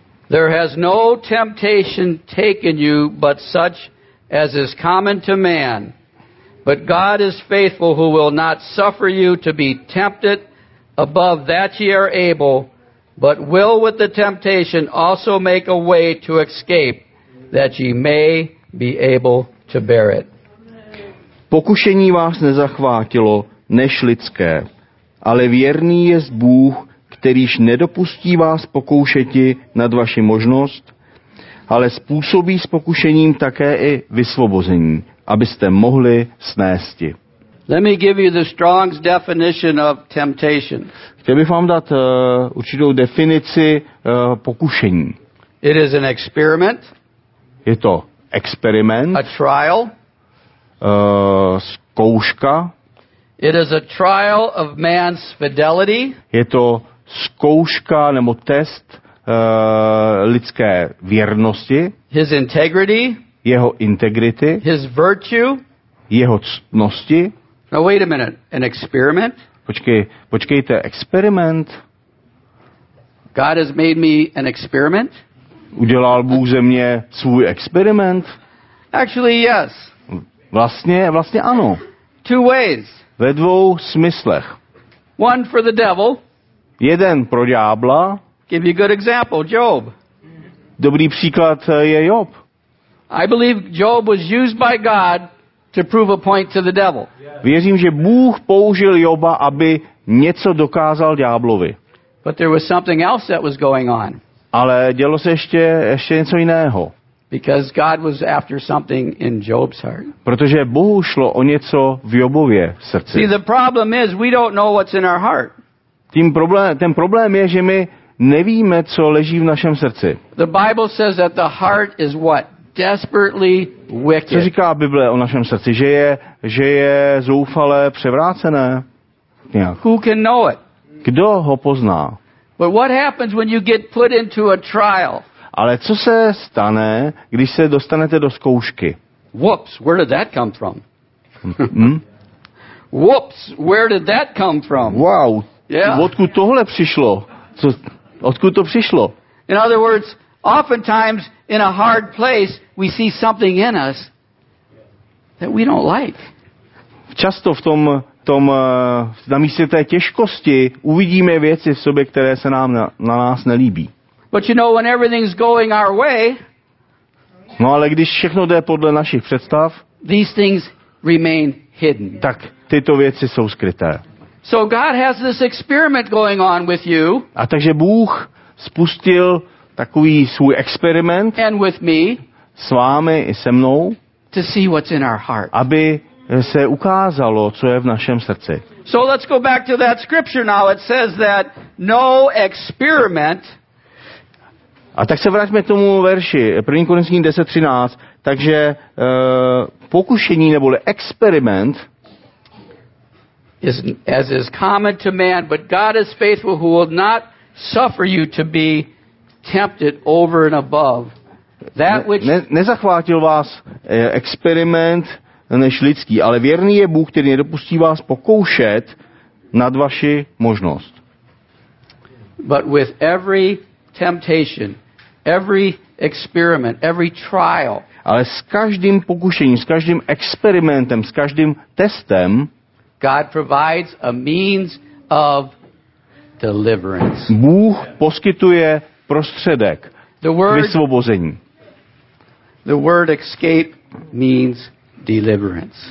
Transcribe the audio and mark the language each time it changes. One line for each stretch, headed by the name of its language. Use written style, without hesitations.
English: There has no temptation taken you but such as is common to man. But God is faithful who will not suffer you to be tempted above that ye are able, but will with the temptation also make a way to escape that ye may be able to bear it.
Czech: Pokušení vás nezachvátilo než lidské, ale věrný jest Bůh, kterýž nedopustí vás pokoušeti nad vaši možnost, ale způsobí s pokušením také i vysvobození, abyste mohli snésti.
English: Let me give you the Strong's definition of temptation.
Czech: Chtěl bych vám dát určitou definici pokušení.
English: It is an experiment.
Czech: Je to experiment.
English: A trial.
Czech: Zkouška.
English: It is a trial of man's fidelity.
Czech: Je to zkouška nebo test lidské věrnosti.
English: His integrity.
Czech: Jeho integrity.
English: His virtue.
Czech: Jeho ctnosti.
English: Now wait a minute, an experiment?
Czech: Počkejte, experiment?
English: God has made me an experiment?
Czech: Udělal Bůh ze mě svůj experiment?
English: Actually, yes.
Czech: Vlastně ano.
English: Two ways.
Czech: Ve dvou smyslech.
English: One for the devil.
Czech: Jeden pro ďábla.
English: Give you a good example, Job.
Czech: Dobrý příklad je Job.
English: I believe Job was used by God to prove a point to the devil.
Czech: Věřím, že Bůh použil Joba, aby něco dokázal ďáblovi.
English: But there was something else that was going on.
Czech: Ale dělo se ještě něco jiného.
English: Because God was after something in Job's heart.
Czech: Protože Bohu šlo o něco v Jobově srdci.
English: See, the problem is we don't know what's in our heart.
Czech: Ten problém je, že my nevíme, co leží v našem srdci.
English: The Bible says that the heart is what? Desperately wicked.
Czech: Co říká Bible o našem srdci, že je zoufale převrácené. Nějak.
English: Who can know it?
Czech: Kdo ho pozná?
English: But what happens when you get put into a trial?
Czech: Ale co se stane, když se dostanete do zkoušky?
English: Whoops, where did that come from? Hmm? Whoops, where did that come from? Wow. Yeah.
Czech: Odkud tohle přišlo? Odkud to přišlo?
English: In other words, oftentimes in a hard place, we see something in us that we don't like.
Czech: Často v tom na místě té těžkosti uvidíme věci v sobě, které se nám na nás nelíbí.
English: But you know, when everything's going our way,
Czech: no, ale když všechno jde podle našich představ,
English: these things remain hidden.
Czech: Tak tyto věci jsou skryté.
English: So God has this experiment going on with you.
Czech: A takže Bůh spustil takový svůj experiment.
English: And with me.
Czech: S vámi i se mnou.
English: To see what's in our heart.
Czech: Aby se ukázalo, co je v našem srdci.
English: So let's go back to that scripture now. It says that no experiment.
Czech: A tak se vrátíme k tomu verši 1. Korinským 10:13. Takže pokušení neboli experiment.
English: Is as is common to man, but God is faithful, who will not suffer you to be tempted over and above that which.
Czech: Nezachvátil vás experiment než lidský, ale věrný je Bůh, který nedopustí vás pokoušet nad vaši možnost.
English: But with every temptation, every experiment, every trial.
Czech: Ale s každým pokušením, s každým experimentem, s každým testem.
English: God provides a means of deliverance.
Czech: Bůh poskytuje prostředek vysvobození.
English: The word escape means deliverance.